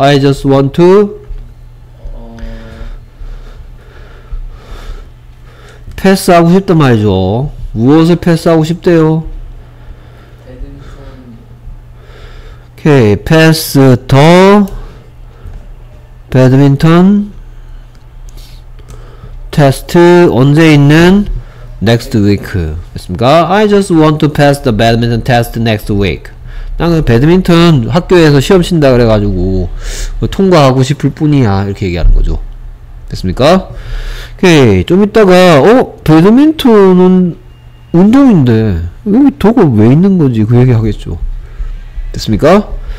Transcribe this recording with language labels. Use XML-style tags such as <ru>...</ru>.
<en>I just want to</en> <ko>패스하고 싶단 말이죠. 무엇을 패스하고 싶대요? 배드민턴. 오케이. 패스 더 배드민턴 테스트 언제 있는?</ko> <en>Next week.</en> <ko>됐습니까?</ko> <en>I just want to pass the badminton test next week.</en> <ko>나는 배드민턴 학교에서 시험 친다 그래가지고 통과하고 싶을 뿐이야. 이렇게 얘기하는 거죠. 됐습니까? 오케이. 좀 이따가 배드민턴은 운동인데 여기 도구 왜 있는 건지 그 얘기 하겠죠. 됐습니까?</ko>